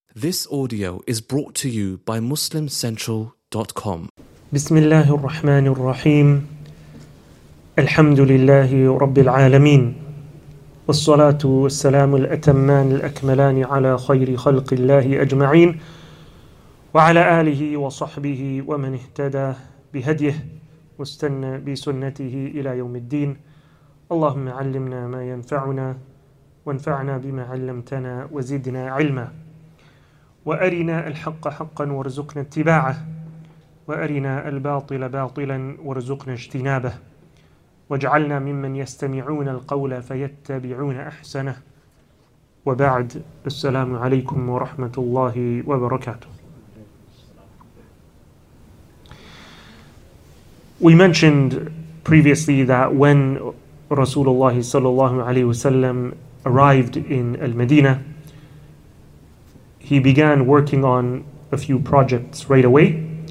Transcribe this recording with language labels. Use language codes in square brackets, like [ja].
[en] This audio is brought to you by MuslimCentral.com. [ar] بسم الله الرحمن الرحيم الحمد لله رب العالمين والصلاة والسلام الأتمان الأكملان على خير خلق الله أجمعين وعلى آله وصحبه ومن اهتدى بهديه واستنى بسنته إلى يوم الدين اللهم علمنا ما ينفعنا وانفعنا بما علمتنا وزدنا علما وأرنا الحق حقا وارزقنا اتباعه وأرنا الباطل باطلا وارزقنا اجتنابه واجعلنا ممن يستمعون القول فيتبعون أحسنه وبعد السلام عليكم ورحمة الله وبركاته. [en] We mentioned previously that when Rasulullah sallallahu alayhi wasallam arrived in Al-Madinah, he began working on a few projects right away.